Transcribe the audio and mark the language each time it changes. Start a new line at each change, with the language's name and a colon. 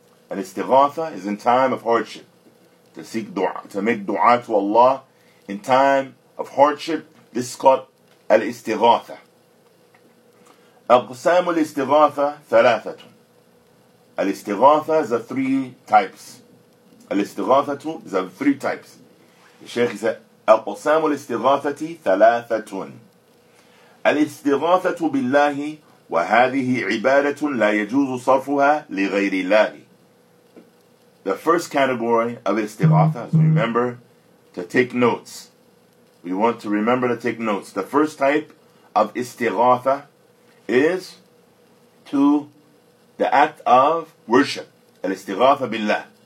English: And istighatha is in time of hardship. To seek dua, to make dua to Allah in time of hardship, this is called al-istighatha.
Arabic: Aqsam al-istighatha thalathatun.
English: Al-istighatha is of three types. Al-istighatha is of three types. The Sheikh said,
Arabic: أقسام الاستغاثة ثلاثة. الاستغاثة بالله وهذه عبادة لا يجوز صرفها لغير الله.
English: The first category of istighatha, as we remember to take notes. We want to remember to take notes. The first type of istighatha is to the act of worship.
Arabic: الاستغاثة بالله.